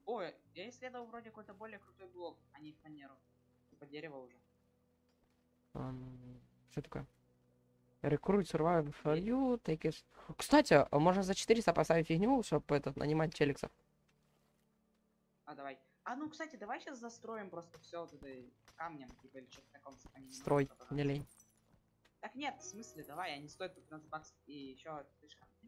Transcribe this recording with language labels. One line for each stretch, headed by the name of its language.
Russian: Ой, я исследовал вроде какой-то более крутой блок, а не фанеру. Типа дерево уже. Что такое?
English: Recruit survival for you, take it.
Russian: Кстати, можно за 400 поставить фигню, чтобы этот нанимать челиксов. А, давай. А ну, кстати, давай сейчас застроим просто все вот это камнем, типа или что-то таком сохранить. Строй, не лень. Так нет, в смысле, давай, они стоят 15 баксов и еще тышка.